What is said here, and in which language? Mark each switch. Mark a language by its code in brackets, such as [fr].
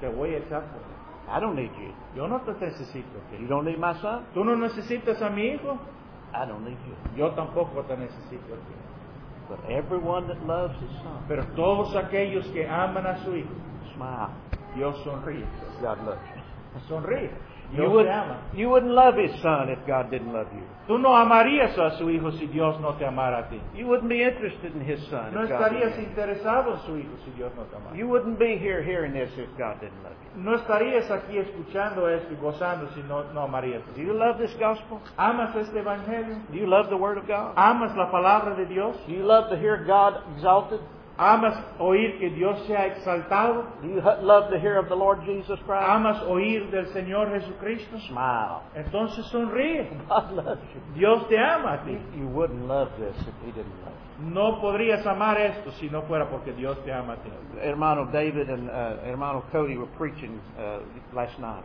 [es] Te voy a echar por ti. [en] I don't need you. [es] Yo no te necesito. [en] You don't need my son. [es] Tú no necesitas a mi hijo. [en] I don't need you. [es] Yo tampoco te necesito. [en] But everyone that loves his son. [es] Pero todos aquellos que aman a su hijo. [en] Smile. [es] Dios sonríe. [en] God loves. [es] Sonríe. [en] You wouldn't. You wouldn't love his son if God didn't love you. [es] Tú no amarías a su hijo si Dios no te amara a ti. [en] You wouldn't be interested in his son. [es] No estarías interesado en su hijo si Dios no te amara. [en] You wouldn't be here hearing this if God didn't love you. [es] No estarías aquí escuchando esto y gozando si no amarías. [en] Do you love this gospel? [es] ¿Amas este evangelio? [en] Do you love the word of God? [es] ¿Amas la palabra de Dios? [en] Do you love to hear God exalted? [es] ¿Amas oír que Dios sea exaltado? [en] Do you love to hear of the Lord Jesus Christ? [es] ¿Amas oír del Señor Jesucristo? [en] Smile. [es] Entonces sonríe. [en] God loves you. [es] Dios te ama a ti. [en] You wouldn't love this if he didn't love you. [es] No podrías amar esto si no fuera porque Dios te ama a ti. [en] Hermano David and hermano Cody were preaching last night.